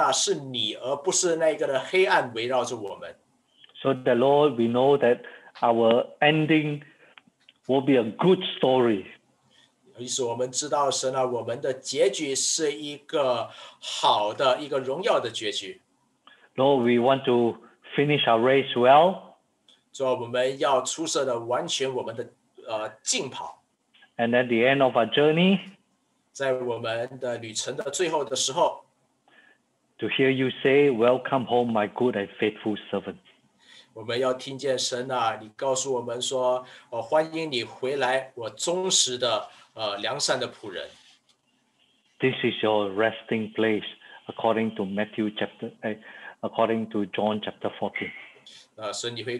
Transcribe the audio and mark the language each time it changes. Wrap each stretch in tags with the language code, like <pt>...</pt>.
<zh>然后在你来到当中的时候，让我们看见是神啊，是你，而不是那个的黑暗围绕着我们。</zh> <en>So the Lord, we know that our ending will be a good story.</en> <zh>于是我们知道，神啊，我们的结局是一个好的、一个荣耀的结局。</zh> <en>Lord, we want to finish our race well.</en> <zh>主啊，我们要出色的完全我们的竞跑。</zh> <en>And at the end of our journey,</en> <zh>在我们的旅程的最后的时候,</zh> <en>to hear you say, "Welcome home, my good and faithful servant."</en> <zh>我们要听见神啊，你告诉我们说，欢迎你回来，我忠实的良善的仆人。</zh> <en>This is your resting place, according to Matthew chapter, according to John chapter 14.</en>